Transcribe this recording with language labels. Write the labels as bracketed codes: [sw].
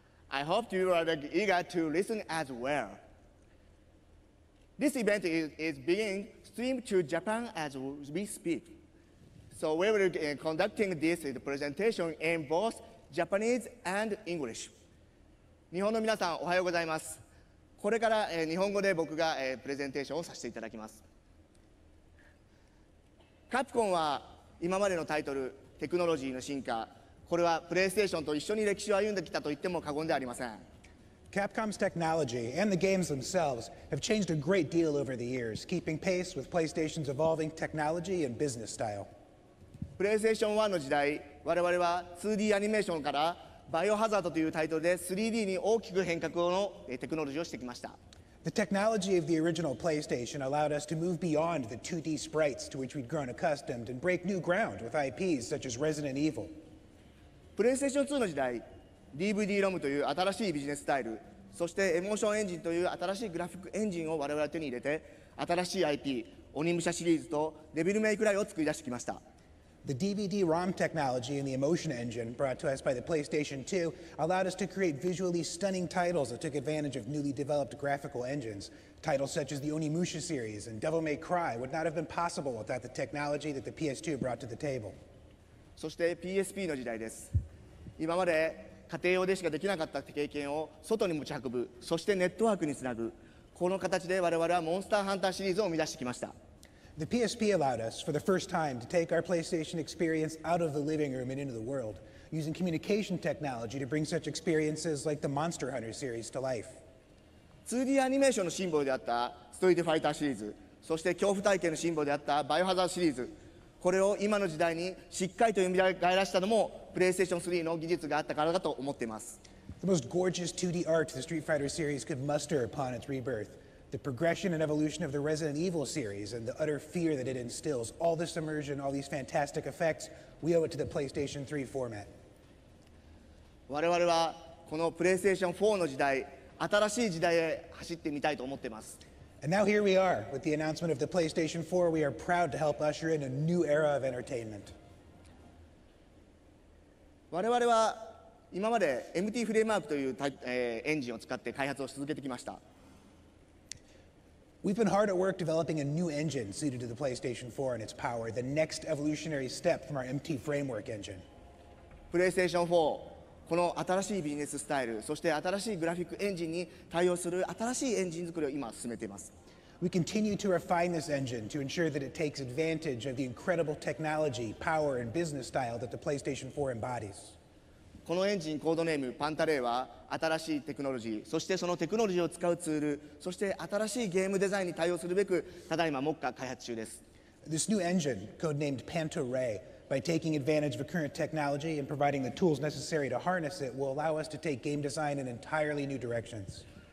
[en] I hope you are eager to listen as well. This event is being streamed to Japan as we speak. So we will be conducting this presentation in both Japanese and English. [ja] 日本の皆さん、おはようございます。これから日本語で僕がプレゼンテーションをさせていただきます。カプコンは今までのタイトル、テクノロジーの進化、これはプレイステーションと一緒に歴史を歩んできたと言っても過言ではありません。 [en] Capcom's technology and the games themselves have changed a great deal over the years, keeping pace with PlayStation's evolving technology and business style. [ja] PlayStation 1の時代、我々は 2D アニメーションからバイオハザードというタイトルで 3D に大きく変革のテクノロジーをしてきました。 [en] The technology of the original PlayStation allowed us to move beyond the 2D sprites to which we'd grown accustomed and break new ground with IPs such as Resident Evil. [ja] PlayStation 2の時代、DVD-ROM という新しいビジネススタイル、そしてエモーションエンジンという新しいグラフィックエンジンを我々は手に入れて、新しい IP、鬼武者シリーズとデビルメイクライを作り出してきました。 [en] The DVD-ROM technology and the emotion engine brought to us by the PlayStation 2 allowed us to create visually stunning titles that took advantage of newly developed graphical engines. Titles such as the Onimusha series and Devil May Cry would not have been possible without the technology that the PS2 brought to the table. [ja] そして PSP の時代です。今まで家庭用でしかできなかった経験を外に持ち運ぶ、そしてネットワークにつなぐ、この形で我々はモンスターハンターシリーズを生み出してきました。 [en] The PSP allowed us, for the first time, to take our PlayStation experience out of the living room and into the world, using communication technology to bring such experiences like the Monster Hunter series to life. [ja] 2D アニメーションのシンボルであったストリートファイターシリーズ、そして恐怖体験のシンボルであったバイオハザードシリーズ、これを今の時代にしっかりと蘇らせたのも PlayStation 3の技術があったからだと思っています。 [en] The most gorgeous 2D art the Street Fighter series could muster upon its rebirth. The progression and evolution of the Resident Evil series and the utter fear that it instills, all this immersion, all these fantastic effects, we owe it to the PlayStation 3 format. [ja] 我々はこの PlayStation 4の時代、新しい時代へ走ってみたいと思ってます。 [en] And now here we are, with the announcement of the PlayStation 4, we are proud to help usher in a new era of entertainment. [ja] 我々は今まで MT フレームワークというエンジンを使って開発を続けてきました。 [en] We've been hard at work developing a new engine suited to the PlayStation 4 and its power, the next evolutionary step from our MT framework engine. [ja] PlayStation 4, この新しいビジネススタイル、そして新しいグラフィックエンジンに対応する新しいエンジン作りを今進めています。 [en] We continue to refine this engine to ensure that it takes advantage of the incredible technology, power, and business style that the PlayStation 4 embodies. [ja] このエンジンコードネームパンタレイは新しいテクノロジー、そしてそのテクノロジーを使うツール、そして新しいゲームデザインに対応するべく、ただいま目下開発中です。 [en] This new engine, codenamed Panta Ray, by taking advantage of current technology and providing the tools necessary to harness it, will allow us to take game design in entirely new directions.